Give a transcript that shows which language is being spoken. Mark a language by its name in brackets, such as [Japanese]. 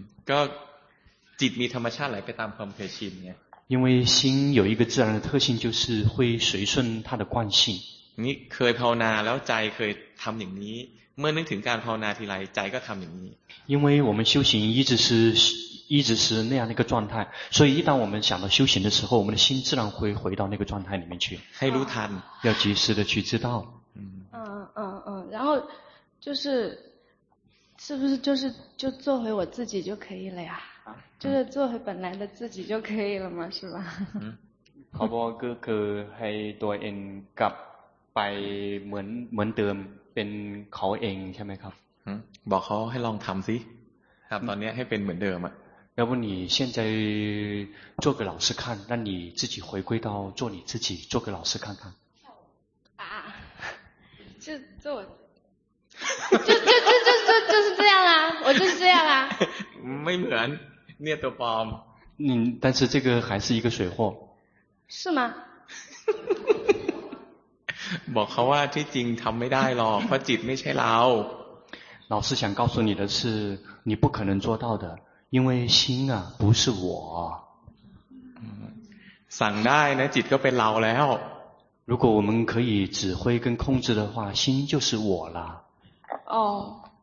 [Thai] ก็จิตมีธรรมชาติไหลไปตามความเคยชินเนี่ย [Chinese] 因为心有一个自然的特性就是会随顺它的惯性 [Thai] นี่เคยภาวนาแล้วใจเคยทำอย่างนี้เมื่อนึกถึงการภาวนาทีไรใจก็ทำอย่างนี้ [Chinese] 因为我们修行一直是那样的一个状态，所以一旦我们想到修行的时候，我们的心自然会回到那个状态里面去。黑如坦，要及时的去知道。嗯，然后就是，是不是就做回我自己就可以了呀？就是做回本来的自己就可以了嘛，是吧？ [Thai] เขาบอกก็คือให้ตัวเองกลับไปเหมือนเดิมเป็นเขาเองใช่ไหมครับ？ บอกเขาให้ลองทำสิครับตอนนี้ให้เป็นเหมือนเดิมอ่ะ [Chinese] 要不你现在做给老师看，让你自己回归到做你自己，做给老师看看。啊，就做，就是这样啦，我就是这样啦。没门，念都包。嗯，但是这个还是一个水货。是吗？ [Thai] บอกเขาว่าที่จริงทำไม่ได้หรอกเพราะจิตไม่ใช่เรา。 [Chinese] 老师想告诉你的是，你不可能做到的。因为心啊不是我 [Thai] สั่งได้นะจิตก็เป็นเราแล้ว [Chinese] 如果我们可以指挥跟控制的话心就是我了哦